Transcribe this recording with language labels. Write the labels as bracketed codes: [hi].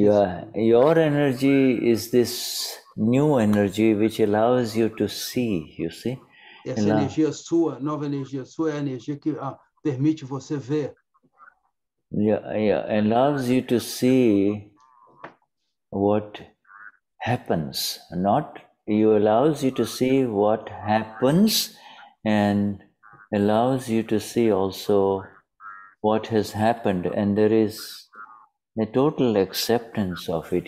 [en] Yeah, your energy is this new energy which allows you to see, you see? [pt] Essa energia sua, nova energia sua, é a energia que permite você ver. [en] Yeah, allows you to see what happens, not... You allows you to see what happens and allows you to see also what has happened, and there is a total acceptance of it.